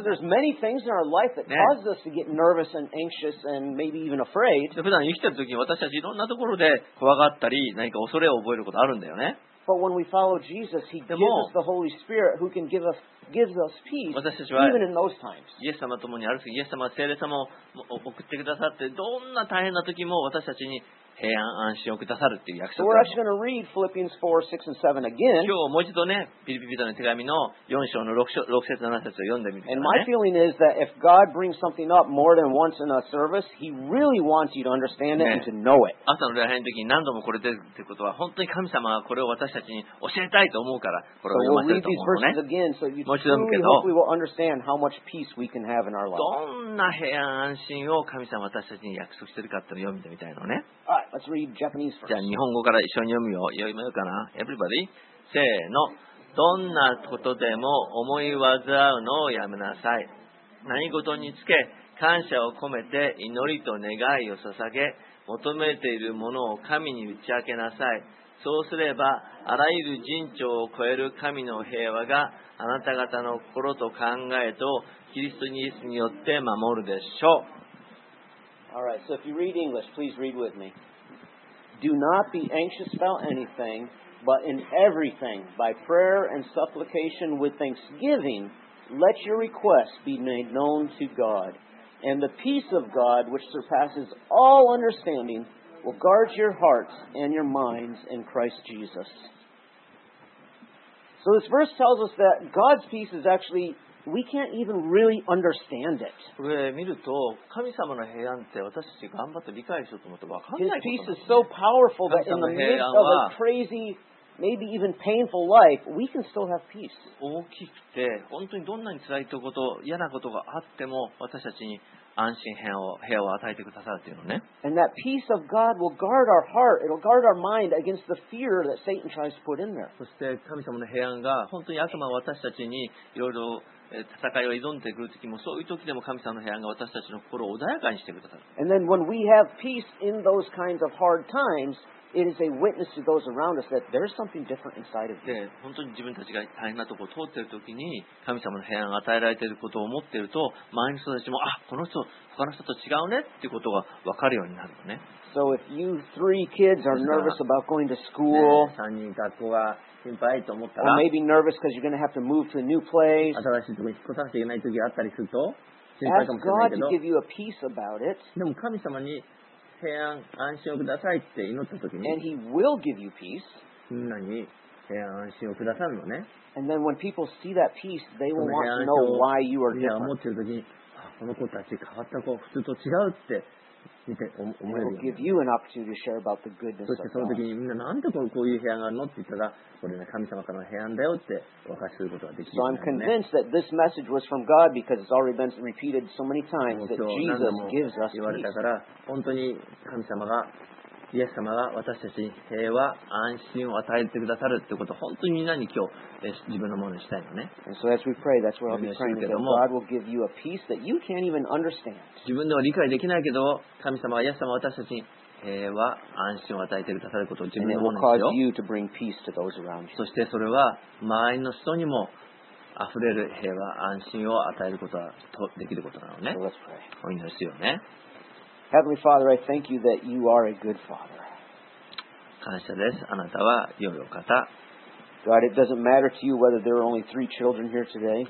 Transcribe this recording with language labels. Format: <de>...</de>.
<en>See, so there's many things in our life that causes us to get nervous and anxious and maybe even afraid.</en> <ja>普段生きてる時に私たちいろんなところで怖がったり、何か恐れを覚えることあるんだよね。</ja> <en>But when we follow Jesus, He gives us the Holy Spirit who can give us gives us peace,</en> <ja>私たちは</ja> <en>even in those times.</en> <ja>イエス様ともにあるし、イエス様は聖霊様を送ってくださって、どんな大変な時も私たちに平安安心をくださるっていう約束。</ja> <en>So、we're actually going to read Philippians 4, 6, and 7 again.</en> <ja>今日もう一度ね、ピリピリとの手紙の4章の6節7節を読んでみてください、ね。</ja> <en>And my feeling is that if God brings something up more than once in a service, He really wants you to understand it、</en> <ja>ね、</ja> <en>and to know it.</en> <ja>朝の礼拝の時に何度もこれ出るってことは、本当に神様がこれを私たちに教えたいと思うから、これを読ませると思うのね。</ja> <en>So、again, so you</en> <ja>もう一度読むけど、</ja> <en>hopefully we'll understand how much peace we can have in our life.</en> <ja>どんな平安安心を神様私たちに約束してるかっていうのを読んでみたいのね。</ja> <en>Let's read Japanese first.</en> <ja>じゃあ日本語から一緒に読むよ。読みようかな。</ja> <en>Everybody?</en> <ja>せーの。どんなことでも思い患うのをやめなさい。何事につけ、感謝を込めて祈りと願いを捧げ、求めているものを神に打ち明けなさい。そうすれば、あらゆる人調を超える神の平和が、あなた方の心と考えと、キリストイエスによって守るでしょう。</ja> <en>All right, so if you read English, please read with me. Do not be anxious about anything, but in everything, by prayer and supplication with thanksgiving, let your requests be made known to God. And the peace of God, which surpasses all understanding, will guard your hearts and your minds in Christ Jesus. So this verse tells us that God's peace is actually We can't even really understand it.</en> <ja>これ見ると神様の平安って私たち頑張って理解しようと思って分かんないことなんですね。</ja> <en>His peace is so powerful that in the midst of a crazy, maybe even painful life, we can still have peace.</en> <ja>大きくて本当にどんなに辛いとこと嫌なことがあっても私たちに安心平和を与えてくださるっていうのね。</ja> <en>And that peace of God will guard our heart, it'll guard our mind against the fear that Satan tries to put in there.</en> <ja>そして神様の平安が本当に悪魔は私たちにいろいろ戦いを挑んでくる時もそういう時でも神様の平安が私たちの心を穏やかにしてくださる。</ja> <en>And then when we have peace in those kinds of hard times, it is a witness to those around us that there's something different inside of you.</en> <ja>で、本当に自分たちが大変なところを通っている時に神様の平安が与えられていることを思っていると、周りの人たちもあ、この人他の人と違うねっていうことが分かるようになるのね。</ja> <en>So if you three kids are nervous about going to school,</en> <ja>3人学校が心配と思ったら、</ja> <en>or maybe nervous because you're going to have to move to a new place.</en> <ja>新しいところに引っ越さなきゃいけない時があったりすると、心配かもしれないけど、でも神様に平安安心をくださいって祈った時に、</ja> <en>and He will give you peace.</en> <ja>みんなに平安安心をくださるのね。</ja> <en>And then when people see that peace, they will want to know why you are different.</en> <ja>平安を持ってる時に、あ、この子たち変わった子、普通と違うって。</ja> <en>It will give you an opportunity to share about the goodness of God.</en> <ja>そしてその時にみんななんでこういう部屋があるのって言ったら、これね神様からの部屋だよって分かることができる。</ja> <en>So I'm convinced that this message was from God because it's already been repeated so many times that Jesus gives us peace.</en> <ja>言われたから本当に神様がイエス様が私たちに平和安心を与えてくださるってことを本当にみんなに今日自分のものにしたいのね。</ja> <en>So as we pray, that's what I'll be praying that God will give you a peace that you can't even understand.</en> <ja>自分では理解できないけど、神様がイエス様は私たちに平和安心を与えてくださることを自分のものにしよう。</ja> <en>To bring peace to those around you.</en> <ja>そしてそれは周りの人にも溢れる平和安心を与えることができることなのね。</ja> <en>So、let's pray.</en> <ja>お祈りしようね。</ja> <en>Heavenly Father, I thank you that you are a good Father.</en> <ja>感謝です。あなたは良いお方。</ja> <en>God, it doesn't matter to you whether there are only three children here today.</en>